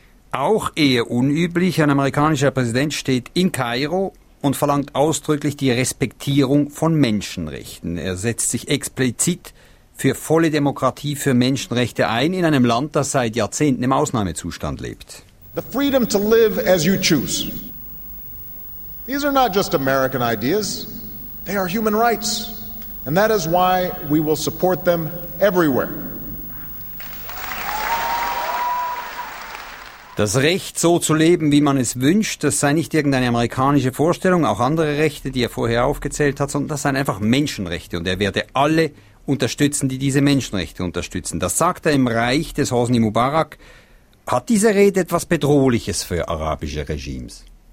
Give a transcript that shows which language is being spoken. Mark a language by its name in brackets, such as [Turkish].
[German] Auch eher unüblich, ein amerikanischer Präsident steht in Kairo und verlangt ausdrücklich die Respektierung von Menschenrechten. Er setzt sich explizit für volle Demokratie, für Menschenrechte ein, in einem Land, das seit Jahrzehnten im Ausnahmezustand lebt. [English] The freedom to live as you choose. These are not just American ideas, they are human rights. And that is why we will support them everywhere. [German] Das Recht, so zu leben, wie man es wünscht, das sei nicht irgendeine amerikanische Vorstellung, auch andere Rechte, die er vorher aufgezählt hat, sondern das seien einfach Menschenrechte. Und er werde alle unterstützen, die diese Menschenrechte unterstützen. Das sagt er im Reich des Hosni Mubarak. Hat diese Rede etwas Bedrohliches für arabische Regimes?